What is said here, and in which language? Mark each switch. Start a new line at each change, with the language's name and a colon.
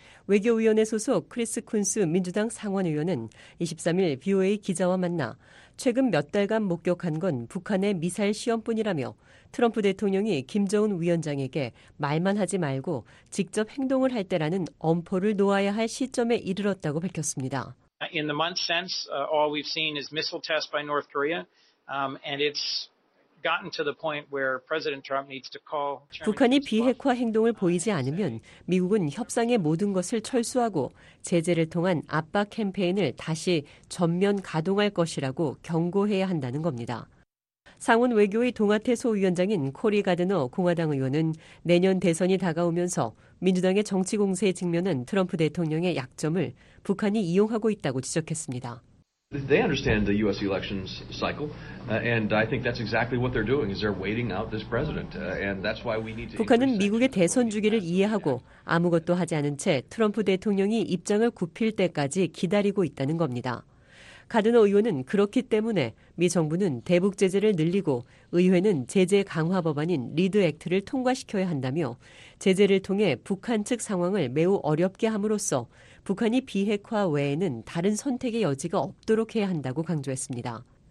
Korean: 외교위원회 소속 크리스 쿤스 민주당 상원의원은 23일 VOA 기자와 만나 최근 몇 달간 목격한 건 북한의 미사일 시험뿐이라며 트럼프 대통령이 김정은 위원장에게 말만 하지 말고 직접 행동을 할 때라는 엄포를 놓아야 할 시점에 이르렀다고 밝혔습니다.
English: In the months since, all we've seen is missile tests by North Korea, and it's gotten to the point where President Trump needs to call.
Korean: 북한이 비핵화 행동을 보이지 않으면 미국은 협상의 모든 것을 철수하고 제재를 통한 압박 캠페인을 다시 전면 가동할 것이라고 경고해야 한다는 겁니다. 상원 외교의 동아태 소위원장인 코리 가드너 공화당 의원은 내년 대선이 다가오면서 민주당의 정치 공세에 직면한 트럼프 대통령의 약점을 북한이 이용하고 있다고 지적했습니다.
English: They understand the U.S. elections cycle, and I think that's exactly what they're doing. Is they're waiting out this president, and that's why we need to.
Korean: 북한은 미국의 대선 주기를 이해하고 아무것도 하지 않은 채 트럼프 대통령이 입장을 굽힐 때까지 기다리고 있다는 겁니다. 가드너 의원은 그렇기 때문에 미 정부는 대북 제재를 늘리고 의회는 제재 강화 법안인 리드 액트를 통과시켜야 한다며 제재를 통해 북한 측 상황을 매우 어렵게 함으로써 북한이 비핵화 외에는 다른 선택의 여지가 없도록 해야 한다고 강조했습니다.